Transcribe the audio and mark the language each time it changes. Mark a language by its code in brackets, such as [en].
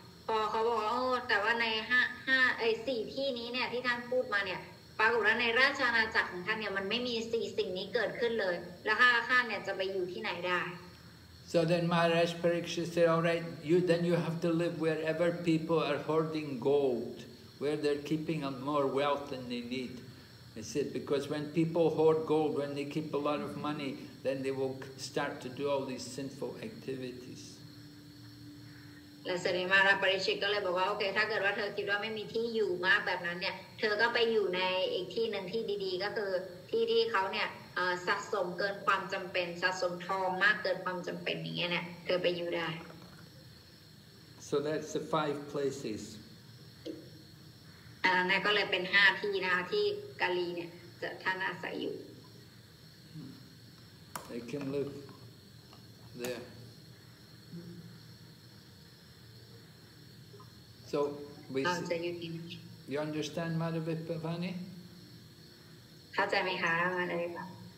[th] พอเขาบอกว่าโอ้แต่ว่าในห้าไอ้สี่ที่นี้เนี่ยที่ท่านพูดมาเนี่ยปรากฏว่าในราชอาณาจักรของท่านเนี่ยมันไม่มีสี่สิ่งนี้เกิดขึ้นเลยแล้วข้าเนี่ยจะไปอยู่ที่ไหนได้ [en] So then Maharaj Parikshit said, all right, you have to live wherever people are hoarding gold, where they're keeping more wealth than they need. He said, because when people hoard gold, when they keep a lot of money, then they will start to do all these sinful activities. [th] Maharaj Parikshit ก็เลยบอกว่าโอเคถ้าเกิดว่าเธอคิดว่าไม่มีที่อยู่มากแบบนั้นเนี่ยเธอก็ไปอยู่ในอีกที่นึงที่ดีๆก็คือที่ที่เขาเนี่ยสะสมเกินความจำเป็นสะสมทองมากเกินความจำเป็นอย่างเงี้ยเนี่ยเธอไปอยู่ได้ [en] So that's the five places [th] นั่นก็เลยเป็น5ที่นะคะที่กาลีเนี่ยจะท่านอาศัยอยู่ [en] They can live there So we You understand Madhavipavani? [th] เข้าใจไหมคะ Madhavipavani